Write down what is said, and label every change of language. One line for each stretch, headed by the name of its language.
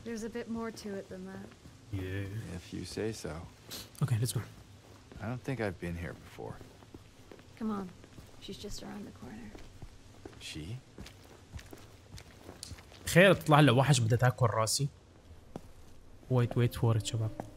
English: There's a bit more to it than that. Yeah. If you say so. Okay, let's go. I don't think I've been here before. Come on. She's just around the corner. She?
Arabic: خير تطلع لها وحش بدها تاكل راسي.
English: Wait, wait for it,
Arabic: شباب.